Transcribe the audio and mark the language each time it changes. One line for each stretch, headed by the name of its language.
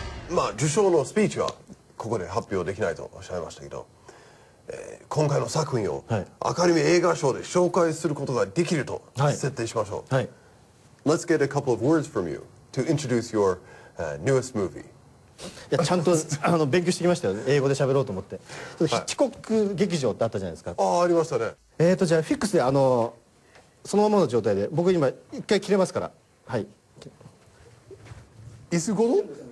Japanese: まあ、受賞のスピーチはここで発表できないとおっしゃいましたけど、今回の作品をアカデミー映画賞で紹介することができると設定しましょう。はい。
English: Let's get a couple of words from you to introduce your newest movie.
Japanese: いやちゃんと勉強してきましたよ、ね、英語で喋ろうと思って。ヒッチコック劇場ってあったじゃないですか。ああ、ありましたね。じゃあフィックスでそのままの状態で僕今一回切れますから、はい、椅子ごと、